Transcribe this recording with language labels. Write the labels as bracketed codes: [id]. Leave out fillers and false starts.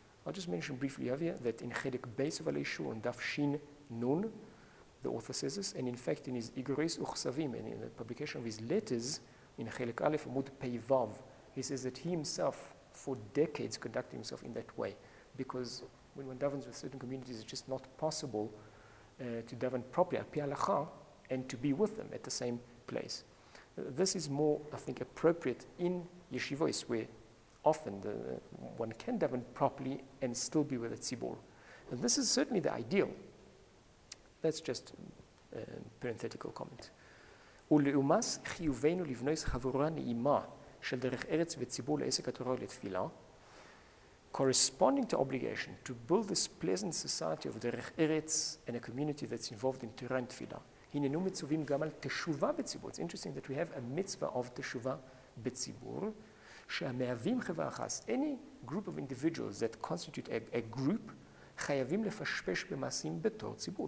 [en] I'll just mention briefly over here that in Chedek Beis of Aleishu on Daf Shin Nun, the author says this, and in fact in his Igores Uchsavim, and in the publication of his letters, in Chelek Aleph Amud Pei Vav, he says that he himself, for decades, conducted himself in that way, because when one davens with certain communities, it's just not possible to daven properly at Pi Halacha and to be with them at the same place. This is more, I think, appropriate in yeshivos, where often one can daven properly and still be with a tzibur. And this is certainly the ideal. That's just a parenthetical comment. [he] ולאומס חיובנו לבנויס חבורה נעימה של דרך ארץ וציבור לעסק התורה ולתפילה. [en] Corresponding to obligation to build this pleasant society of דרך ארץ and a community that's involved in Torah and תפילה. [he] הננו מצווים גם על תשובה בציבור. [en] It's interesting that we have a mitzvah of תשובה בציבור. [he] שהמהווים חברה אחת. [en] Any group of individuals that constitute a group [he] חייבים לפשפש במעשים בתור ציבור.